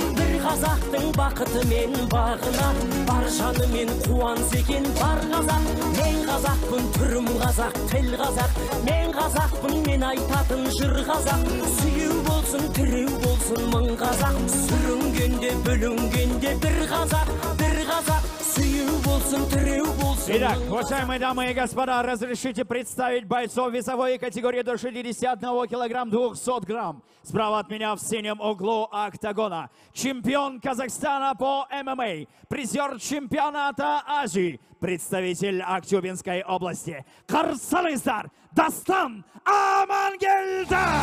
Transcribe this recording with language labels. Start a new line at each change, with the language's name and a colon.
Kazakh: Бір қазақтың бақыты мен бағына, бар жаны мен қуанс екен бар қазақ. Мен қазақпын, түрім қазақ, тіл қазақ. Мен қазақпын, мен айтатын жыр қазақ. Сүйеу болсын, тіреу болсын мың қазақ. Сүрінгенде, бүлінгенде бір қазақ, бір қазақ.
Russian: Итак, уважаемые дамы и господа, разрешите представить бойцов весовой категории до 61 килограмм 200 грамм. Справа от меня в синем углу октагона. Чемпион Казахстана по ММА, призер чемпионата Азии, представитель Актюбинской области.
Kazakh: Қарсы алыңыздар, Дастан Амангелді!